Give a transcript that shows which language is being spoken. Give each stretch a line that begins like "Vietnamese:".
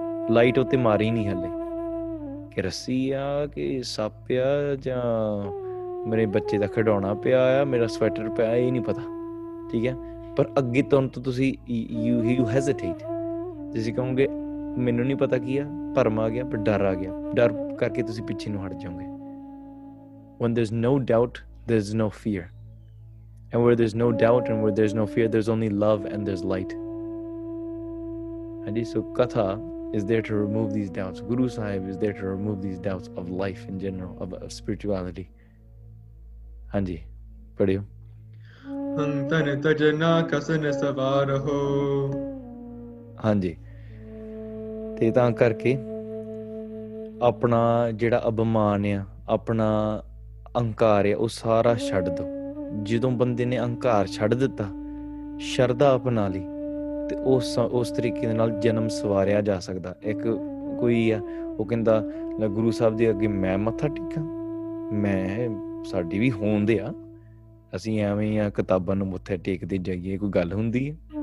Punjabi: Light ਉੱਤੇ ਮਾਰੀ ਨਹੀਂ ਹਾਲੇ ਕਿ ਰੱਸੀ ਆ ਕਿ ਸੱਪ ਆ, ਜਾਂ ਮੇਰੇ ਬੱਚੇ ਦਾ ਖਿਡੌਣਾ ਪਿਆ ਆ, ਮੇਰਾ ਸਵੈਟਰ ਪਿਆ, ਇਹ ਨਹੀਂ ਪਤਾ। ਠੀਕ ਹੈ, ਪਰ ਅੱਗੇ ਤੁਹਾਨੂੰ ਤਾਂ ਤੁਸੀਂ
English: you hesitate,
Punjabi: ਤੁਸੀਂ ਕਹੋਗੇ ਮੈਨੂੰ ਨਹੀਂ ਪਤਾ ਕੀ ਆ, ਭਰਮ ਆ ਗਿਆ, ਪਰ ਡਰ ਆ ਗਿਆ, ਡਰ ਕਰਕੇ ਤੁਸੀਂ ਪਿੱਛੇ ਨੂੰ ਹਟ ਜਾਓਗੇ।
English: When there's no doubt, there's no fear. And where there's no doubt and where there's no fear, there's only love and there's light. So Katha is there to remove these doubts. Guru Sahib is there to remove these doubts of life in general, of spirituality. Hanji, pardon you.
Punjabi: Antane tajana kasane savaraho. Hanji. Te taan karke, apna jeda abhimaniya, apna ਅਹੰਕਾਰ ਆ ਉਹ ਸਾਰਾ ਛੱਡ ਦਿਓ। ਜਦੋਂ ਬੰਦੇ ਨੇ ਅਹੰਕਾਰ ਛੱਡ ਦਿੱਤਾ, ਸ਼ਰਧਾ ਅਪਣਾ ਲਈ, ਤੇ ਉਸ ਤਰੀਕੇ ਦੇ ਨਾਲ ਜਨਮ ਸਵਾਰਿਆ ਜਾ ਸਕਦਾ। ਇੱਕ ਕੋਈ ਆ ਉਹ ਕਹਿੰਦਾ ਗੁਰੂ ਸਾਹਿਬ ਦੇ ਅੱਗੇ ਮੈਂ ਮੱਥਾ ਟੇਕਾਂ, ਮੈਂ ਸਾਡੀ ਵੀ ਹੋਂਦ ਆ, ਅਸੀਂ ਐਵੇਂ ਆ ਕਿਤਾਬਾਂ ਨੂੰ ਮੱਥੇ ਟੇਕਦੇ ਜਾਈਏ, ਕੋਈ ਗੱਲ ਹੁੰਦੀ ਹੈ?